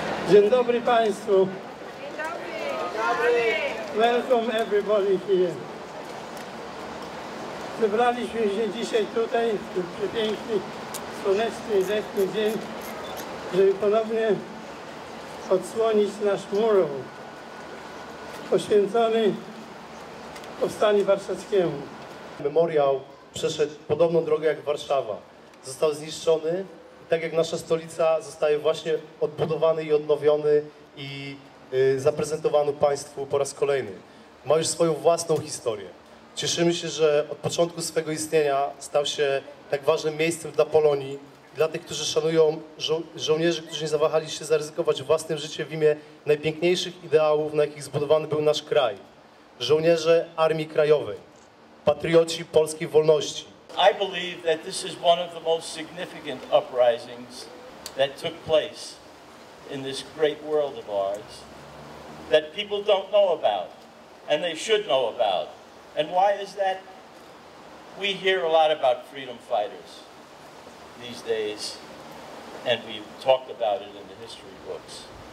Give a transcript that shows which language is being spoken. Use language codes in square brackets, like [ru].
[pl] Dzień dobry Państwu. Dzień dobry. [en] Welcome everybody here. [pl] Zebraliśmy się dzisiaj tutaj, w ten przepiękny, słoneczny, letni dzień, żeby ponownie odsłonić nasz mural poświęcony powstaniu warszawskiemu. Memoriał przeszedł podobną drogę jak Warszawa. Został zniszczony. Tak jak nasza stolica zostaje właśnie odbudowany i odnowiony i zaprezentowany Państwu po raz kolejny. Ma już swoją własną historię. Cieszymy się, że od początku swego istnienia stał się tak ważnym miejscem dla Polonii, dla tych, którzy szanują żołnierzy, którzy nie zawahali się zaryzykować własnym życiem w imię najpiękniejszych ideałów, na jakich zbudowany był nasz kraj. Żołnierze Armii Krajowej, patrioci polskiej wolności. [en] I believe that this is one of the most significant uprisings that took place in this great world of ours that people don't know about and they should know about. And why is that? We hear a lot about freedom fighters these days and we've talked about it in the history books.